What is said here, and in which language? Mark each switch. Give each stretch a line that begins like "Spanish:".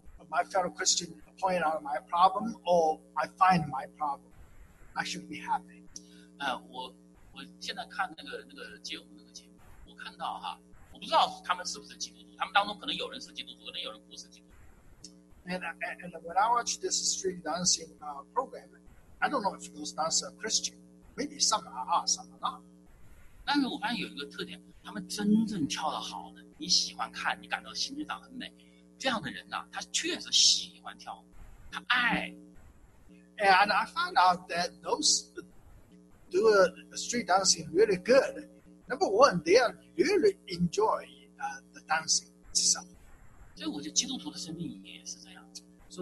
English: my fellow Christian point out my problem or I find my problem, I should be happy.
Chinese: 我现在看那个节目。看到哈，我不知道他们是不是基督徒，他们当中可能有人是基督徒，可能有人不是基督徒。
English: And when I watch this street dancing program, I don't know if those dancers are Christian. Maybe some are, some are not.
Chinese: 但是我发现有一个特点，他们真正跳的好的，你喜欢看，你感到心里长很美，这样的人呐，他确实喜欢跳，他爱。
English: And I found out that those do a street dancing really good. Number one, they are really enjoy the dancing itself.
Chinese: 所以我觉得基督徒的生命也是这样。
English: So